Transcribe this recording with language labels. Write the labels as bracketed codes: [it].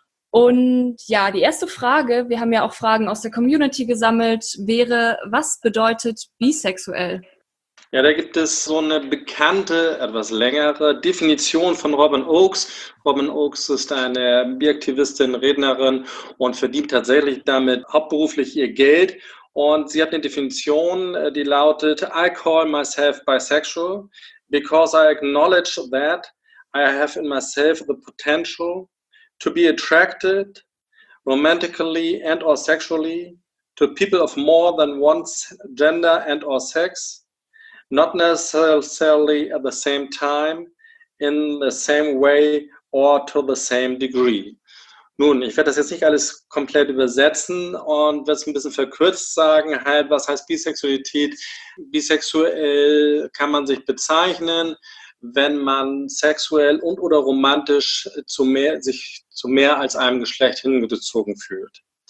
[de] Und ja, die erste Frage, wir haben ja auch Fragen aus der Community gesammelt, wäre, was bedeutet bisexuell? Ja, da gibt es so eine bekannte, etwas längere Definition von Robin Oakes. Robin Oakes ist eine Biaktivistin, Rednerin und verdient tatsächlich damit hauptberuflich ihr Geld. Und sie hat eine Definition, die lautet, [en] I call myself bisexual because I acknowledge that I have in myself the potential to be attracted romantically and or sexually to people of more than one gender and or sex, not necessarily at the same time, in the same way or to the same degree. [de] Nun, ich werde das jetzt nicht alles komplett übersetzen und werde es ein bisschen verkürzt sagen, halt, was heißt Bisexualität? Bisexuell kann man sich bezeichnen, wenn man sexuell und oder romantisch sich zu mehr als einem Geschlecht hingezogen fühlt.